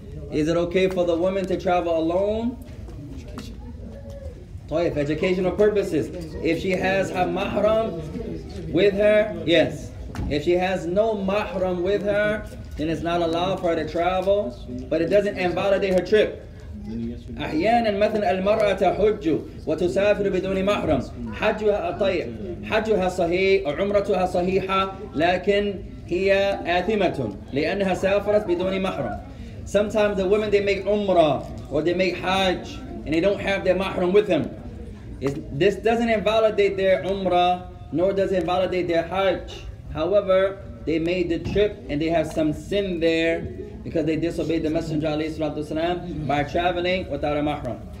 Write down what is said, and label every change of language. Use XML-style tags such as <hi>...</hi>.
<en>Is it okay for the woman to travel alone? Toyef, educational purposes. If she has her mahram with her, yes. If she has no mahram with her, then it's not allowed for her to travel, but it doesn't invalidate her trip.</en> <ar>أحياناً مثل المرأة تحج وتسافر بدون محرم حجها طيب حجها صحيح وعمرتها صحيحة لكن هي آثمة لأنها سافرت بدون محرم.</ar> <en>Sometimes the women, they make umrah or they make hajj and they don't have their mahram with them. This doesn't invalidate their umrah nor does it invalidate their hajj. However, they made the trip and they have some sin there because they disobeyed the Messenger alayhi salatu wasalam by traveling without a mahram.</en>